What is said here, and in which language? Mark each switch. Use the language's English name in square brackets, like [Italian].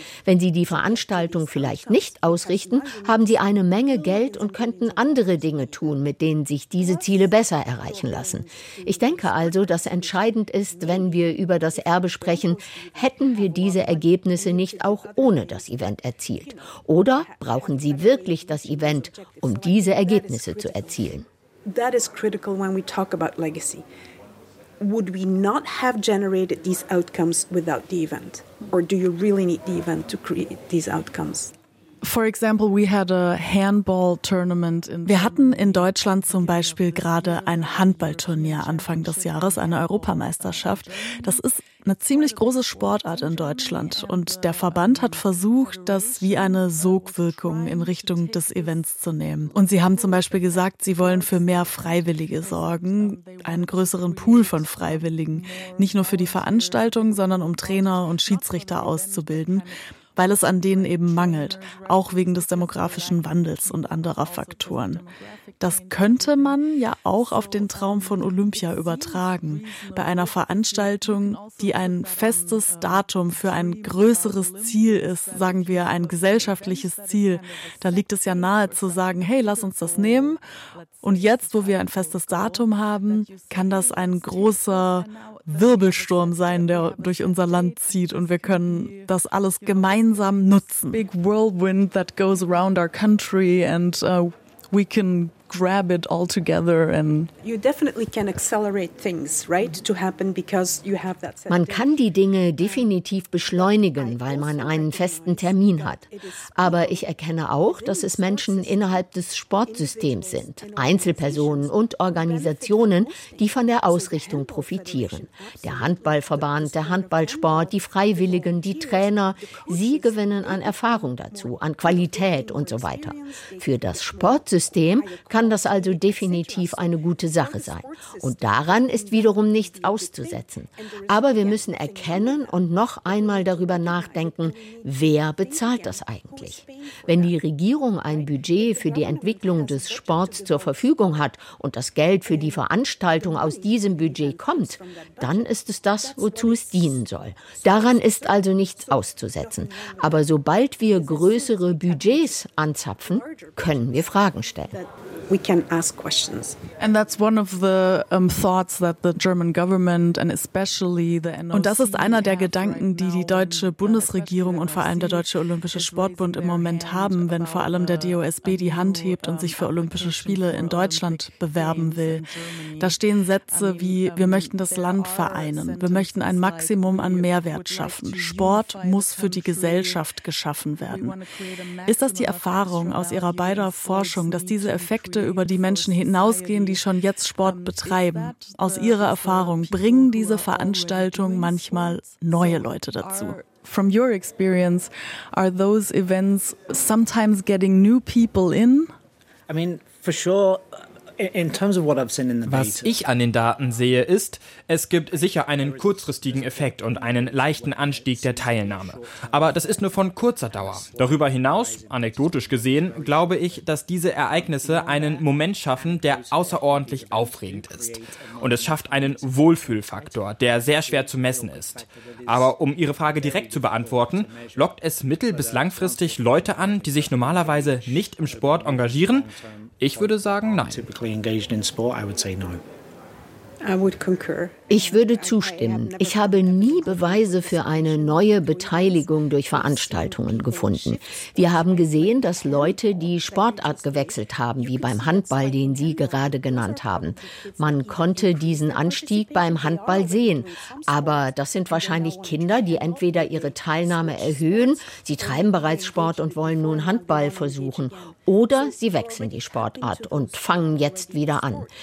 [German] Wenn sie die Veranstaltung vielleicht nicht ausrichten, haben sie eine Menge Geld und könnten andere Dinge tun, mit denen sich diese Ziele besser erreichen lassen. Ich denke also, dass entscheidend ist, wenn wir über das Erbe sprechen, hätten wir diese Ergebnisse nicht auch ohne das Event erzielt? Oder brauchen sie wirklich das Event, um diese Ergebnisse zu erzielen? [English] That is critical when we talk about legacy. Would we not have generated these outcomes without the event? Or do you really need the event to create these outcomes? For example, we had a handball tournament. [German] Wir hatten in Deutschland zum Beispiel gerade ein Handballturnier Anfang des Jahres, eine Europameisterschaft. Das ist eine ziemlich große Sportart in Deutschland. Und der Verband hat versucht, das wie eine Sogwirkung in Richtung des Events zu nehmen. Und sie haben zum Beispiel gesagt, sie wollen für mehr Freiwillige sorgen, einen größeren Pool von Freiwilligen. Nicht nur für die Veranstaltung, sondern um Trainer und Schiedsrichter auszubilden. Weil es an denen eben mangelt, auch wegen des demografischen Wandels und anderer Faktoren. Das könnte man ja auch auf den Traum von Olympia übertragen, bei einer Veranstaltung, die ein festes Datum für ein größeres Ziel ist, sagen wir ein gesellschaftliches Ziel. Da liegt es ja nahe zu sagen, hey, lass uns das nehmen. Und jetzt, wo wir ein festes Datum haben, kann das ein großer Wirbelsturm sein, der durch unser Land zieht und wir können das alles gemeinsam nutzen. [English] Big whirlwind that goes around our country and we can grab it all together and you definitely can accelerate things, right, to happen because you have that. [German] Man kann die Dinge definitiv beschleunigen, weil man einen festen Termin hat. Aber ich erkenne auch, dass es Menschen innerhalb des Sportsystems sind, Einzelpersonen und Organisationen, die von der Ausrichtung profitieren. Der Handballverband, der Handballsport, die Freiwilligen, die Trainer, sie gewinnen an Erfahrung dazu, an Qualität und so weiter. Für das Sportsystem kann das also definitiv eine gute Sache sein. Und daran ist wiederum nichts auszusetzen. Aber wir müssen erkennen und noch einmal darüber nachdenken, wer bezahlt das eigentlich? Wenn die Regierung ein Budget für die Entwicklung des Sports zur Verfügung hat und das Geld für die Veranstaltung aus diesem Budget kommt, dann ist es das, wozu es dienen soll. Daran ist also nichts auszusetzen. Aber sobald wir größere Budgets anzapfen, können wir Fragen stellen. [English] We can ask questions. And that's one of the thoughts that the German government and especially the NOC. [German] Und das ist einer der Gedanken, die die deutsche Bundesregierung und vor allem der Deutsche Olympische Sportbund im Moment haben, wenn vor allem der DOSB die Hand hebt und sich für Olympische Spiele in Deutschland bewerben will. Da stehen Sätze wie, wir möchten das Land vereinen, wir möchten ein Maximum an Mehrwert schaffen. Sport muss für die Gesellschaft geschaffen werden. Ist das die Erfahrung aus Ihrer beider Forschung, dass diese Effekte über die Menschen hinausgehen, die schon jetzt Sport betreiben? Aus Ihrer Erfahrung, bringen diese Veranstaltungen manchmal neue Leute dazu? [English] From your experience, are those events sometimes getting new people in? I mean, for sure. [German] Was ich an den Daten sehe, ist, es gibt sicher einen kurzfristigen Effekt und einen leichten Anstieg der Teilnahme. Aber das ist nur von kurzer Dauer. Darüber hinaus, anekdotisch gesehen, glaube ich, dass diese Ereignisse einen Moment schaffen, der außerordentlich aufregend ist. Und es schafft einen Wohlfühlfaktor, der sehr schwer zu messen ist. Aber um Ihre Frage direkt zu beantworten, lockt es mittel- bis langfristig Leute an, die sich normalerweise nicht im Sport engagieren? Ich würde sagen, nein. [English] Engaged in sport, I would say no. I would concur. [German] Ich würde zustimmen. Ich habe nie Beweise für eine neue Beteiligung durch Veranstaltungen gefunden. Wir haben gesehen, dass Leute die Sportart gewechselt haben, wie beim Handball, den Sie gerade genannt haben. Man konnte diesen Anstieg beim Handball sehen. Aber das sind wahrscheinlich Kinder, die entweder ihre Teilnahme erhöhen, sie treiben bereits Sport und wollen nun Handball versuchen, oder sie wechseln die Sportart und fangen jetzt wieder an.